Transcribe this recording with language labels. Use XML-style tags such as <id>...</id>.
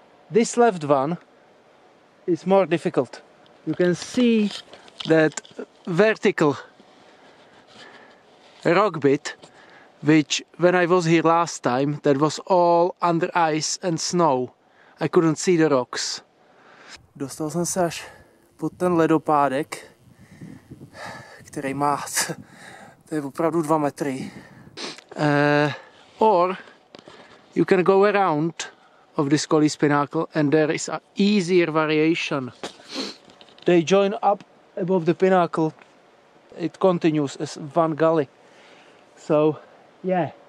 <en>This left one is more difficult. You can see that vertical rock bit, which when I was here last time, that was all under ice and snow. I couldn't see the rocks.</en> <cs>Dostal jsem se až pod ten ledopádek, který má, to je opravdu 2 metry.</cs> <en>Or you can go around of this Gully's Pinnacle and there is an easier variation. They join up above the pinnacle. It continues as one gully. So Yeah.</en>